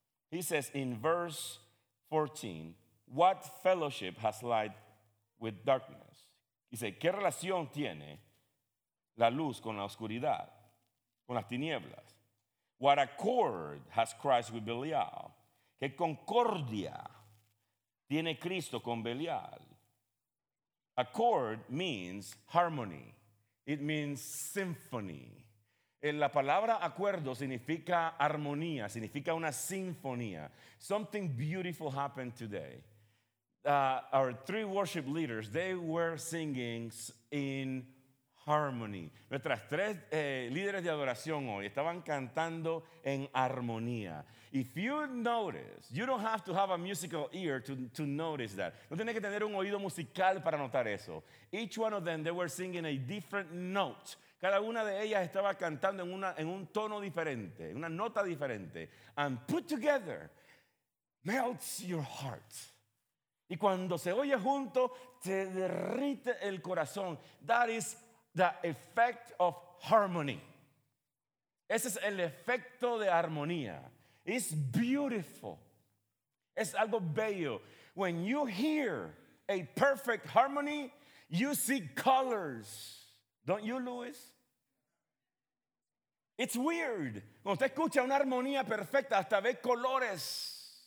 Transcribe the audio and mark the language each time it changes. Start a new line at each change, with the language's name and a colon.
English: He says in verse 14, what fellowship has light with darkness?
Spanish: Dice, ¿qué relación tiene la luz con la oscuridad, con las tinieblas?
English: What accord has Christ with Belial?
Spanish: ¿Qué concordia tiene Cristo con Belial?
English: Accord means harmony. It means symphony.
Spanish: La palabra acuerdo significa armonía, significa una sinfonía.
English: Something beautiful happened today. Our three worship leaders, they were singing in harmony.
Spanish: Nuestras tres líderes de adoración hoy estaban cantando en armonía.
English: If you notice, you don't have to have a musical ear to notice that.
Spanish: No tienes que tener un oído musical para notar eso.
English: Each one of them, they were singing a different note.
Spanish: Cada una de ellas estaba cantando en un tono diferente, una nota diferente.
English: And put together melts your heart.
Spanish: Y cuando se oye junto, te derrite el corazón.
English: That is the effect of harmony.
Spanish: Ese es el efecto de armonía.
English: It's beautiful.
Spanish: Es algo bello.
English: When you hear a perfect harmony, you see colors. Don't you, Luis? It's weird.
Spanish: Cuando usted escucha una armonía perfecta, hasta ve colores.